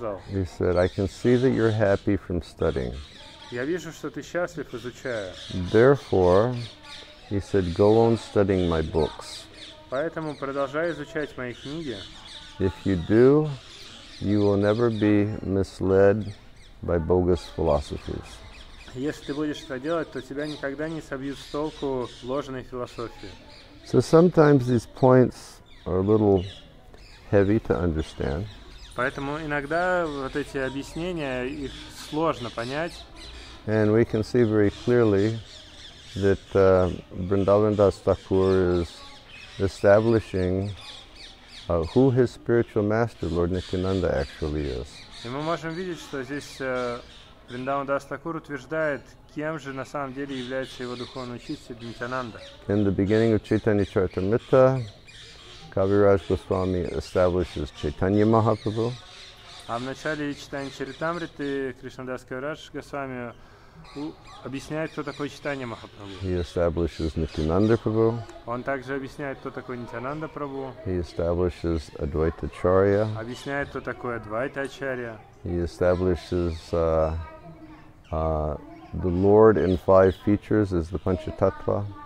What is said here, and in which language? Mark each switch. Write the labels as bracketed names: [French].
[English] He said, I can see that you're happy from studying. [Russian] Я вижу, что ты счастлив, изучая. [English] Therefore, he said, go on studying my books. [Russian] Поэтому продолжай изучать мои книги. [English] If you do, you will never be misled by bogus philosophies. [Russian] Если ты будешь это делать, то тебя никогда не собьют с толку ложной философии. [English] So sometimes these points are a little heavy to understand. [Russian] Поэтому иногда вот эти объяснения, их сложно понять. [English] And we can see very clearly that Vrindavan Das Thakur is establishing who his spiritual master, Lord Nityananda, actually is. [Russian] И мы можем видеть, что здесь Vrindavan Das Thakur утверждает, кем же на самом деле является его духовный учитель Нитянанда. [English] In the beginning of Chaitanya Charitamrita, Kaviraj Goswami establishes Chaitanya Mahaprabhu. [Russian] А в начале Чайтанья Чаритамриты Кришнадас Кавирадж Госвами объясняет, кто такой Чайтанья Махапрабху. [English] He establishes Нитянанда Прабху. [Russian] Он также объясняет, кто такой Нитянанда Прабху. [English] He establishes Адвайта Ачарья. [Russian] Объясняет, кто такой Адвайта Ачарья. [English] He establishes the Lord in five features as the Панчататва.